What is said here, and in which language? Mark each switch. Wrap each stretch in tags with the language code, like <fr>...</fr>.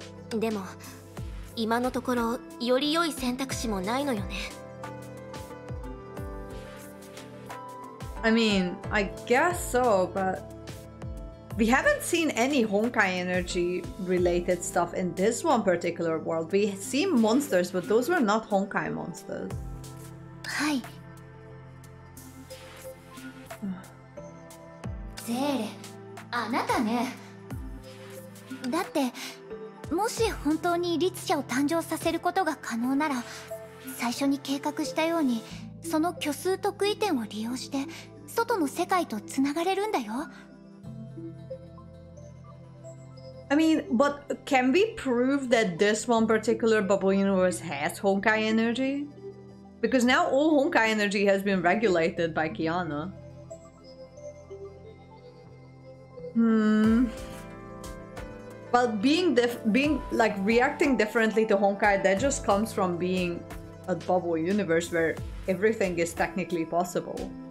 <ja>でも今のところより良い選択肢もないのよね。</ja> <en>I mean, I guess so, but we haven't seen any Honkai energy related stuff in this one particular world. We see monsters, but those were not Honkai monsters.</en> <ja>はい。ゼーレ、あなたね。だって。もし本当に律者を誕生させることが可能なら、最初に計画したようにその虚数特異点を利用して外の世界とつながれるんだよ。</ja> <en>I mean, but can we prove that this one particular bubble universe has Honkai energy? Because now all Honkai energy has been regulated by Kiana. Well, being like reacting differently to Honkai, that just comes from being a bubble universe where everything is technically possible.</en>